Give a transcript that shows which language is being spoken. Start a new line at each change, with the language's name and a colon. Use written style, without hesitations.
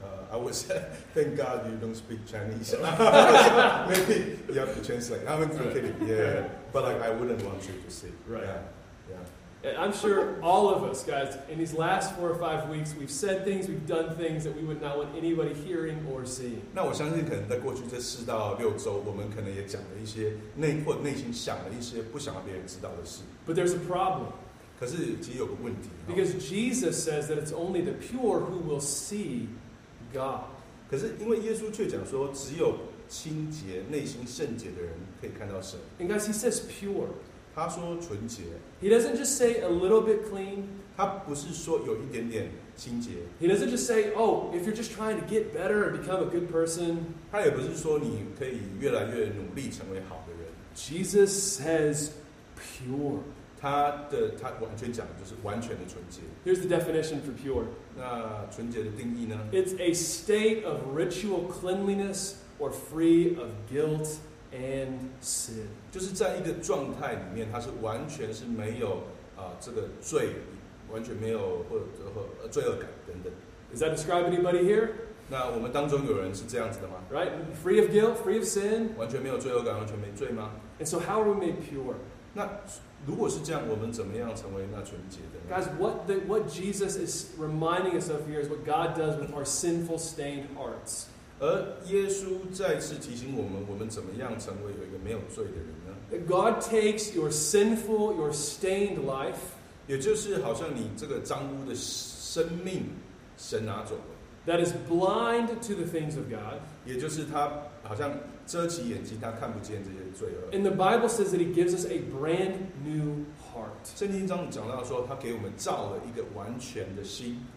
English: I would say, thank God you don't speak Chinese. Maybe you have to translate. I'm kidding. Right. Yeah. But like, I wouldn't want you to see. Right. Yeah. Yeah. And I'm sure all of us, guys, in these last 4 or 5 weeks, we've said things, we've done things that we would not want anybody hearing or seeing.
Chinese: 那我相信可能在过去这四到六周，我们可能也讲了一些或内心想了一些不想让别人知道的事。
English: But there's a problem.
Chinese: 可是其实有个问题。
English: Because Jesus says that it's only the pure who will see. God.
Chinese: 可是因为耶稣却讲说，只有清洁、内心圣洁的人可以看到神。
English: And guys, he says pure.
Chinese: 他说纯洁。
English: He doesn't just say a little bit clean.
Chinese: 他不是说有一点点清洁。
English: He doesn't just say, oh, if you're just trying to get better and become a good person.
Chinese: 他也不是说你可以越来越努力成为好的人。
English: Jesus says pure.
Chinese: 他完全讲的就是完全的纯洁。
English: Here's the definition for pure.
Chinese: 那纯洁的定义呢？
English: It's a state of ritual cleanliness or free of guilt and sin.
Chinese: 就是在一个状态里面，它是完全是没有这个罪，完全没有或罪恶感等等。
English: Does that describe anybody here?
Chinese: 那我们当中有人是这样子的吗？
English: Right, free of guilt, free of sin.
Chinese: 完全没有罪恶感，完全没罪吗？
English: And so, how are we made pure?
Chinese: 那如果是这样，我们怎么样成为那纯洁的呢？
English: Guys, what Jesus is reminding us of here is what God does with our sinful, stained hearts.
Chinese: 而耶稣再次提醒我们，我们怎么样成为有一个没有罪的人呢？
English: That God takes your sinful, your stained life.
Chinese: 也就是好像你这个脏污的生命，神拿走了。
English: That is blind to the things of God.
Chinese: 也就是他好像遮起眼睛，他看不见这些罪恶。
English: And the Bible says that He gives us a brand new heart.
Chinese: 圣经中讲到说，他给我们造了一个完全的心。